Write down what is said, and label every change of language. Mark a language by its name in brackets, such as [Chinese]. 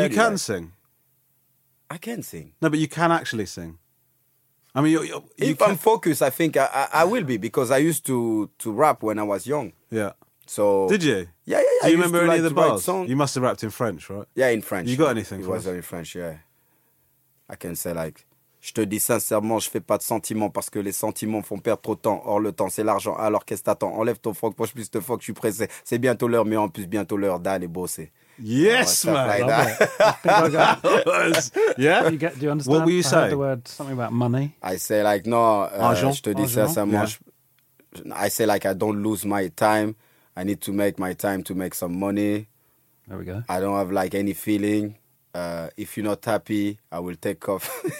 [English] But you can sing. I can sing. No, but you can actually sing. I mean, I'm focused, I think I will be, because I used to rap when I was young. Yeah. So did you? Yeah. Do you remember any of the bars? You must have rapped in French, right? Yeah, in French. You got anything for us? It was in French, yeah. I can say like, [French] je te dis sincèrement, je fais pas de sentiments parce que les sentiments font perdre trop de temps. Or le temps, c'est l'argent. Alors qu'est-ce que t'attends? Enlève ton froc, poche plus de froc, je suis pressé. C'est bientôt l'heure, mais en plus bientôt l'heure d'aller bosser. [English] Yes, man. Yeah. Do you understand? What were you saying? I heard the word something about money. I say like, no, [French] je te dis sincèrement. [English] I say like, I don't lose my time. I need to make my time to make some money. There we go. I don't have like any feeling. If you're not happy, I will take off.